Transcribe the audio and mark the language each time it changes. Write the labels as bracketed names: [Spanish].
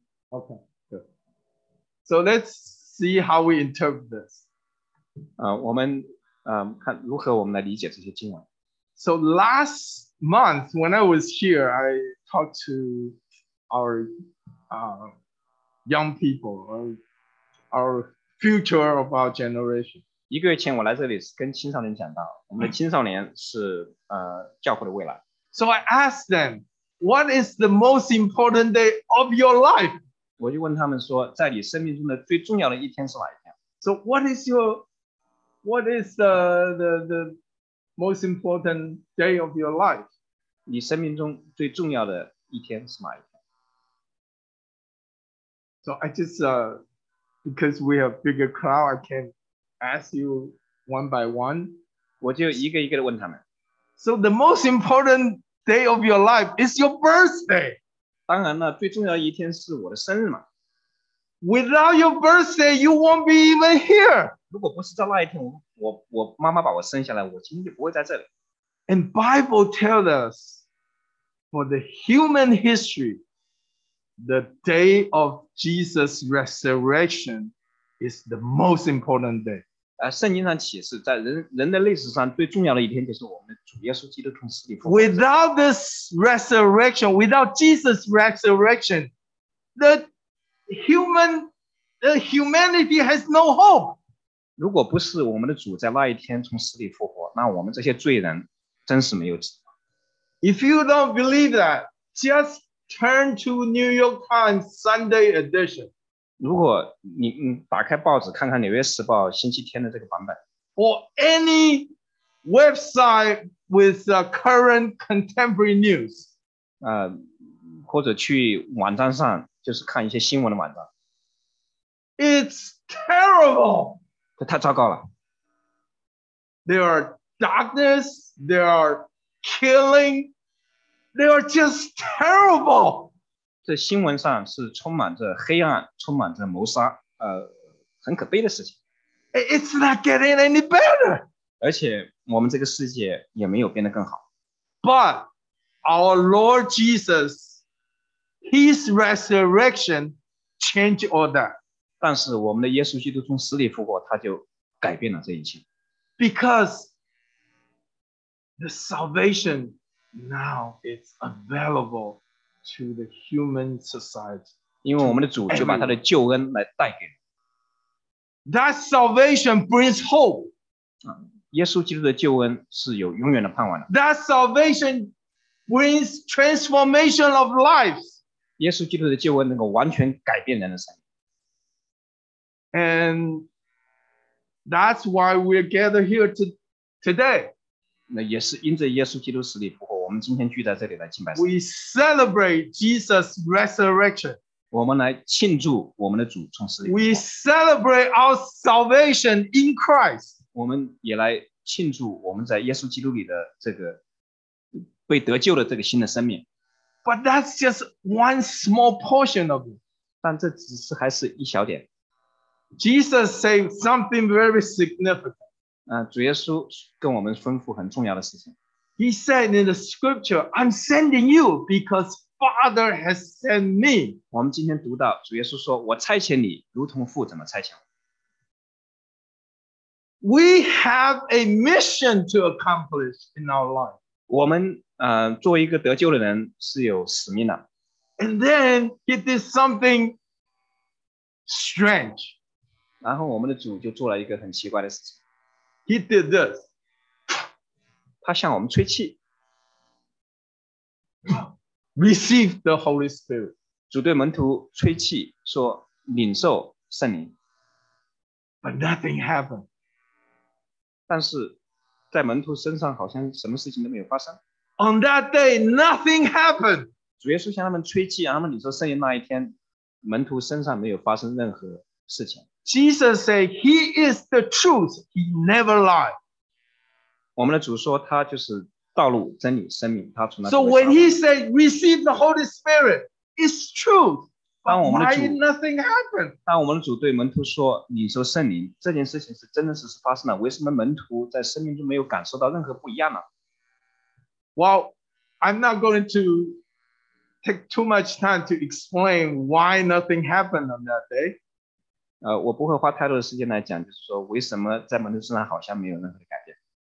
[English] Okay, good. So let's see how we interpret this. [Chinese] 我们看如何我们来理解这些经文。 [English] So last month, when I was here, I talked to our young people, our future of our generation. [Chinese] 一个月前我来这里跟青少年讲到，我们的青少年是教会的未来。 [English] So I asked them, what is the most important day of your life? [Chinese] 我就问他们说，在你生命中的最重要的一天是哪一天？ [English] So what is the most important day of your life? [Chinese] 你生命中最重要的一天是哪一天？ [English] So I just, because we have bigger crowd, I can ask you one by one. [Chinese] 我就一个一个地问他们。 [English] So the most important day of your life is your birthday. [Chinese] 当然了，最重要的一天是我的生日嘛。 [English] Without your birthday, you won't be even here. [Chinese] 如果不是在那一天，我妈妈把我生下来，我今天就不会在这里。 [English] And Bible tells us, for the human history, the day of Jesus' resurrection is the most important day. [Chinese] 圣经上启示，在人的历史上最重要的一天就是我们主耶稣基督从死里复活。 [English] Without this resurrection, without Jesus' resurrection, the humanity has no hope. [Chinese] 如果不是我们的主在那一天从死里复活，那我们这些罪人真是没有指望。 [English] If you don't believe that, just turn to New York Times Sunday edition. [Chinese] 如果你打开报纸看看纽约时报星期天的这个版本 [English] or any website with current contemporary news [Chinese] 或者去网站上就是看一些新闻的网站 [English] It's terrible [Chinese] 这太糟糕了 [English] There are darkness, there are killing, they are just terrible [Chinese] 这新闻上是充满着黑暗，充满着谋杀，很可悲的事情。 [English] It's not getting any better. [Chinese] 而且我们这个世界也没有变得更好。 [English] But our Lord Jesus, His resurrection changed all that. [Chinese] 但是我们的耶稣基督从死里复活，他就改变了这一切。 [English] Because the salvation now is available. To the human society. [Chinese] 因为我们的主就把他的救恩来带给了。 [English] That salvation brings hope. [Chinese] 耶稣基督的救恩是有永远的盼望的。 [English] That salvation brings transformation of lives. [Chinese] 耶稣基督的救恩能够完全改变人的生命。 [English] And that's why we're gathered here today. [Chinese] 那也是因着耶稣基督死里复活。我们今天聚在这里来敬拜。 [English] We celebrate Jesus' resurrection. [Chinese] 我们来庆祝我们的主从死里。 [English] We celebrate our salvation in Christ. [Chinese] 我们也来庆祝我们在耶稣基督里的这个被得救的这个新的生命。 [English] But that's just one small portion of it. [Chinese] 但这只是还是一小点。 [English] Jesus said something very significant. [Chinese] 主耶稣跟我们吩咐很重要的事情。 [English] He said in the scripture, I'm sending you because Father has sent me. [Chinese] 我们今天读到主耶稣说我差遣你如同父怎么差遣。 [English] We have a mission to accomplish in our life. [Chinese] 我们作为一个得救的人是有使命的。 [English] And then he did something strange. [Chinese] 然后我们的主就做了一个很奇怪的事情。 [English] He did this. [Chinese] 他向我们吹气 [English] Receive the Holy Spirit [Chinese] 主对门徒吹气说领受圣灵 [English] But nothing happened [Chinese] 但是在门徒身上好像什么事情都没有发生 [English] On that day nothing happened [Chinese] 主耶稣向他们吹气然后领受圣灵那一天门徒身上没有发生任何事情。 [English] Jesus said he is the truth, he never lied. [Chinese] 我们的主说他就是道路、真理、生命，他从来。 [English] So when he said receive the Holy Spirit, it's truth. Why nothing happened? [Chinese] 当我们的主对门徒说你受圣灵，这件事情是真真实实发生了，为什么门徒在生命中没有感受到任何不一样呢？ [English] Well, I'm not going to take too much time to explain why nothing happened on that day. [Chinese] 我不会花太多的时间来讲，就是说为什么在门徒身上好像没有任何的改变。